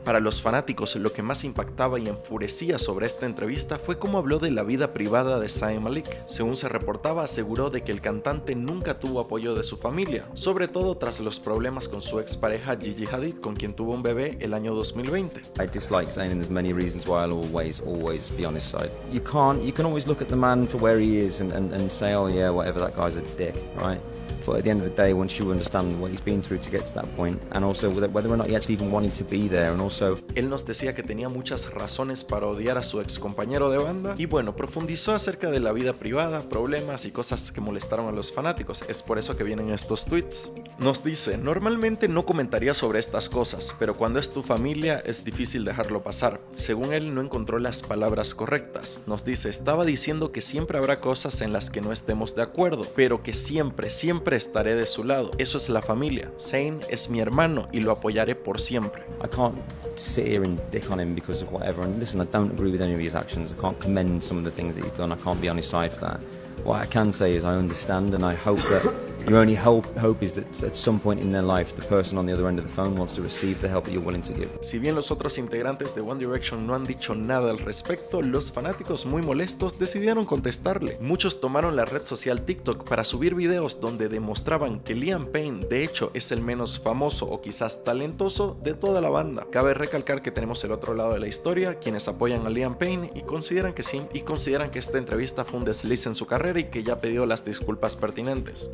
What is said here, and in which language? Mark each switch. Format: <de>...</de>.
<es>Para los fanáticos, lo que más impactaba y enfurecía sobre esta entrevista fue cómo habló de la vida privada de Zayn Malik. Según se reportaba, aseguró de que el cantante nunca tuvo apoyo de su familia, sobre todo tras los problemas con su expareja Gigi Hadid, con quien tuvo un bebé el año 2020.</es> <en>I dislike Zayn and there's many reasons why I'll always be on his side. You can always look at the man for where he is and say, oh yeah, whatever, that guy's a dick, right? But at the end of the day, once you understand what he's been through to get to that point, and also whether or not he actually even wanted to be there, and also.</en> <es>Él nos decía que tenía muchas razones para odiar a su ex compañero de banda, y bueno, profundizó acerca de la vida privada, problemas y cosas que molestaron a los fanáticos. Es por eso que vienen estos tweets. Nos dice: normalmente no comentaría sobre estas cosas, pero cuando es tu familia, es difícil dejarlo pasar. Según él, no encontró las palabras correctas. Nos dice: estaba diciendo que siempre habrá cosas en las que no estemos de acuerdo, pero que siempre. Siempre estaré de su lado. Eso es la familia. Zayn es mi hermano y lo apoyaré por siempre.</es> <en>I can't sit here and dick on him because of whatever. And listen, I don't agree with any of his actions. I can't commend some of the things that he's done. I can't be on his side for that. What I can say is I understand and I hope that your only hope is that at some point in their life the person on the other end of the phone wants to receive the help that you're willing to give.</en> <es>Si bien los otros integrantes de One Direction no han dicho nada al respecto, los fanáticos muy molestos decidieron contestarle. Muchos tomaron la red social TikTok para subir videos donde demostraban que Liam Payne de hecho es el menos famoso o quizás talentoso de toda la banda. Cabe recalcar que tenemos el otro lado de la historia, quienes apoyan a Liam Payne y consideran que sí y consideran que esta entrevista fue un desliz en su carrera y que ya pidió las disculpas pertinentes.</es>